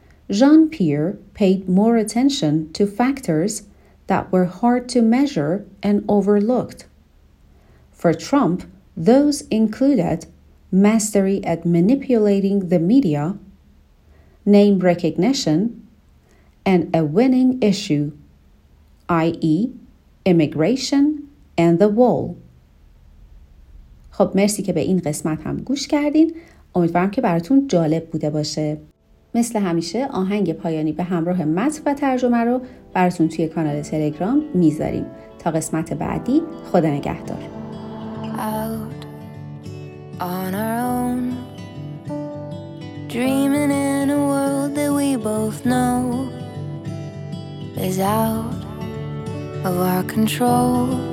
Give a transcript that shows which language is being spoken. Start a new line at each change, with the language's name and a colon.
English: Jean-Pierre paid more attention to factors that were hard to measure and overlooked. For Trump, those included mastery at manipulating the media, name recognition, and a winning issue, i.e. immigration and the wall.
Persian: خب مرسی که به این قسمت هم گوش کردین. امیدوارم که براتون جالب بوده باشه. مثل همیشه آهنگ پایانی به همراه متن و ترجمه رو براتون توی کانال تلگرام میذاریم. تا قسمت بعدی خدا نگهدار.
English: Out on our own, dreaming in a world that we both know is out of our control.